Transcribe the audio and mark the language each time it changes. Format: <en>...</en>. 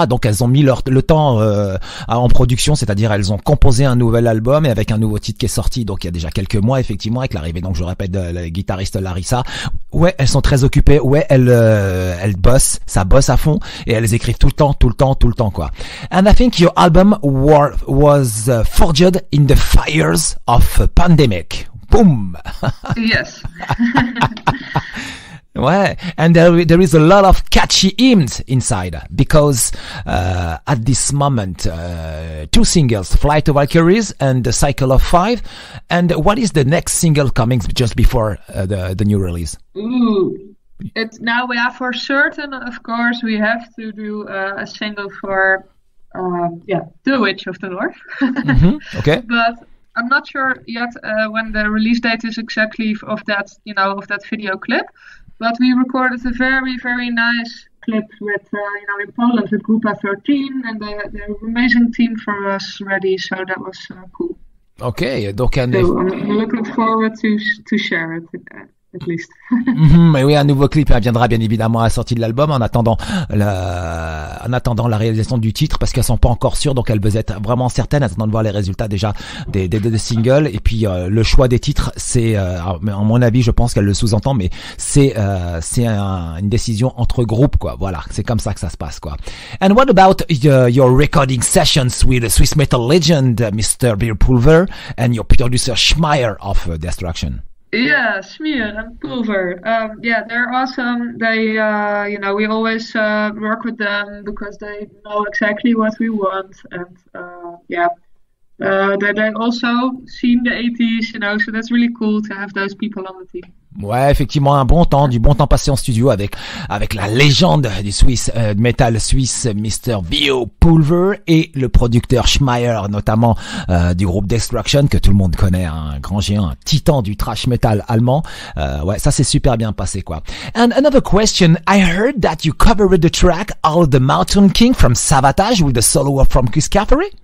<fr>Donc elles ont mis le temps en production, c'est-à-dire elles ont composé un nouvel album et avec un nouveau titre qui est sorti, donc il y a déjà quelques mois, effectivement, avec l'arrivée, donc je répète, de la guitariste Larissa. Ouais, elles sont très occupées, ouais, elles bossent, ça bosse à fond et elles écrivent tout le temps, quoi.</fr> <en>And I think your album was forged in the fires of a pandemic. Boom! Yes.</en> <fr>Ouais.</fr> <en>And there is a lot of catchy hymns inside because at this moment, two singles, Flight of Valkyries and The Circle of Five. And what is the next single coming just before the new release? Ooh. Now we are for certain, of course, we have to do a single for... The Witch of the North. Mm-hmm. Okay. But I'm not sure yet when the release date is exactly of that, of that video clip. But we recorded a very, very nice clip with, in Poland with Grupa 13, and they're an amazing team for us ready. So that was cool. Okay.</en> <fr>Donc,</fr> <en>I'm looking forward to share it with that.</en> <fr>Et oui, un nouveau clip viendra bien évidemment à la sortie de l'album en attendant la réalisation du titre parce qu'elles sont pas encore sûres, donc elles veulent être vraiment certaines, attendant de voir les résultats déjà des deux singles. Et puis le choix des titres, c'est en mon avis, je pense qu'elle le sous-entend, mais c'est une décision entre groupes, quoi. Voilà, c'est comme ça que ça se passe, quoi.</fr> <en>And what about your recording sessions with the Swiss metal legend Mr. Beer Pulver and your producer Schmeier of Destruction? Yeah, Schmier and Pulver. They're awesome. They, we always work with them because they know exactly what we want. And they also seen the 80s, so that's really cool to have those people on the team.</en> <fr>Ouais, effectivement, du bon temps passé en studio avec la légende du Swiss metal suisse Mr. Bio Pulver et le producteur Schmeier, notamment du groupe Destruction, que tout le monde connaît, un grand géant, un titan du thrash metal allemand. Ouais, ça s'est super bien passé, quoi.</fr> <en>And another question, I heard that you covered the track All the Mountain King from Savatage with the solo from Chris Caffery?</en>